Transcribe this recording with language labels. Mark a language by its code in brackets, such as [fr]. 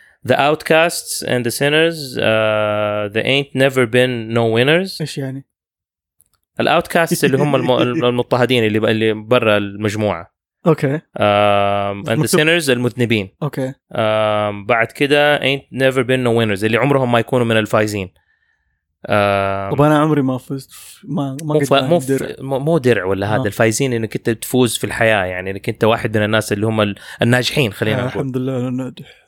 [en] The outcasts and the sinners they ain't never been no winners. [ar] ايش يعني الاوتكاستس؟ اللي هم المضطهدين اللي برا المجموعة. اوكي. [en] And the sinners [ar] المذنبين. اوكي. بعد كده [en] ain't never been no winners، [ar] اللي عمرهم ما يكونوا من الفايزين. طب انا عمري ما فزت، ما مو درع. مو درع ولا هذا الفايزين، انك انت تفوز في الحياه، يعني انك انت واحد من الناس اللي هم الناجحين، خلينا نقول الحمد لله انا ناجح.